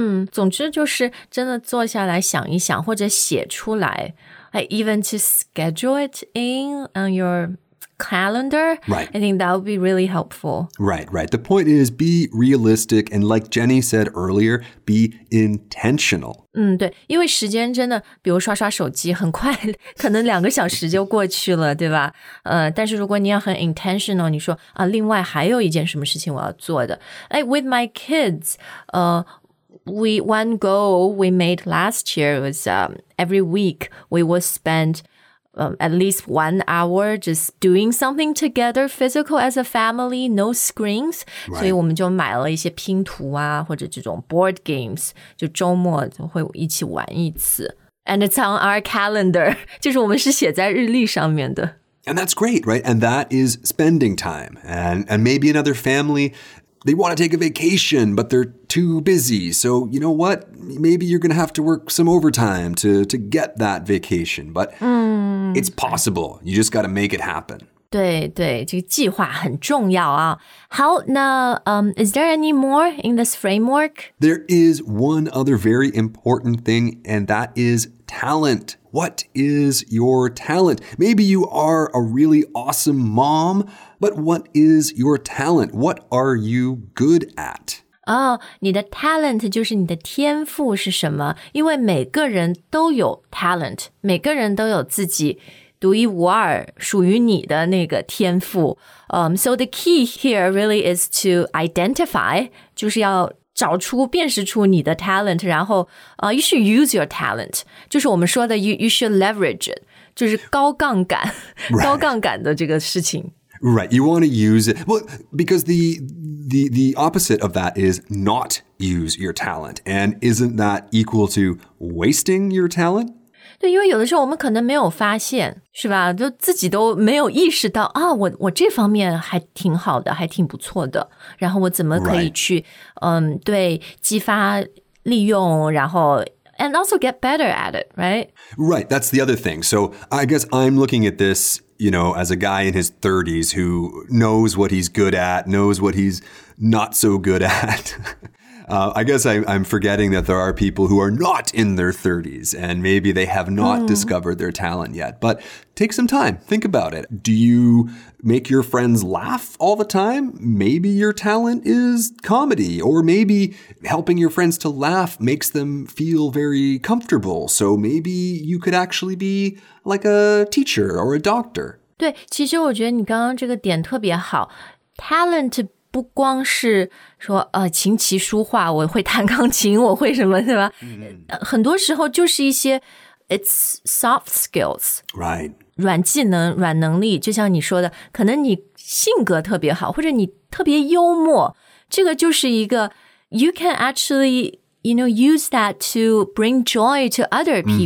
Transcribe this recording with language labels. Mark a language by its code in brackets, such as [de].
[zh] 总之就是真的坐下来想一想或者写出来 [en] even to schedule it in on your calendar. Right. I think that would be really helpful. Right, right. The point is be realistic and like Jenny said earlier, be intentional. [zh] 对，因为时间真的比如刷刷手机很快可能2个小时就过去了对吧但是如果你要很 intentional, 你说啊，另外还有一件什么事情我要做的。 [en] With my kids, one goal we made last year was every week we would spend at least 1 hour just doing something together, physical as a family, no screens. Right. [zh] 所以我们就买了一些拼图啊或者这种 board games, 就周末就会一起玩一次。 [en] And it's on our calendar, [zh] 就是我们是写在日历上面的。 [en] And that's great, right? And that is spending time. And maybe another family, they want to take a vacation, but they're too busy. So you know what? Maybe you're going to have to work some overtime to get that vacation. But... It's possible. You just got to make it happen. [zh] 对对，这个计划很重要啊。好，那 [en] is there any more in this framework? There is one other very important thing, and that is talent. What is your talent? Maybe you are a really awesome mom, but what is your talent? What are you good at? [zh] 你的 talent 就是你的天赋是什么？因为每个人都有 talent, 每个人都有自己独一无二属于你的那个天赋。 [en] So the key here really is to identify, [zh] 就是要找出辨识出你的 talent, 然后、 [en] you should use your talent, [zh] 就是我们说的 [en] you should leverage it, [zh] 就是高杠杆、 [en] right. [zh] 高杠杆的这个事情。 [en] Right, you want to use it. Well, because the opposite of that is not use your talent. And isn't that equal to wasting your talent? [zh] 对，因为有的时候我们可能没有发现，是吧？就自己都没有意识到啊，我这方面还挺好的，还挺不错的。然后我怎么可以去、 [en] right. [zh] 对，激发利用，然后 [en] and also get better at it, right? Right, that's the other thing. So I guess I'm looking at this,you know, as a guy in his 30s who knows what he's good at, knows what he's not so good at. 、I guess I'm forgetting that there are people who are not in their 30s and maybe they have not discovered their talent yet. But take some time. Think about it. Do you make your friends laugh all the time? Maybe your talent is comedy, or maybe helping your friends to laugh makes them feel very comfortable. So maybe you could actually be like a teacher or a doctor. [zh] 对，其实我觉得你刚刚这个点特别好。 Talent不光是说琴棋书画，我会弹钢琴，我会什么，对吧？ Mm-hmm. 很多时候就是一些 [en] it's soft skills, right? [zh] 软技能、软能力，就像你说的，可能你性格特别好，或者你特别幽默，这个就是一个 [en] you can actually, you know, use that to bring joy to other people.、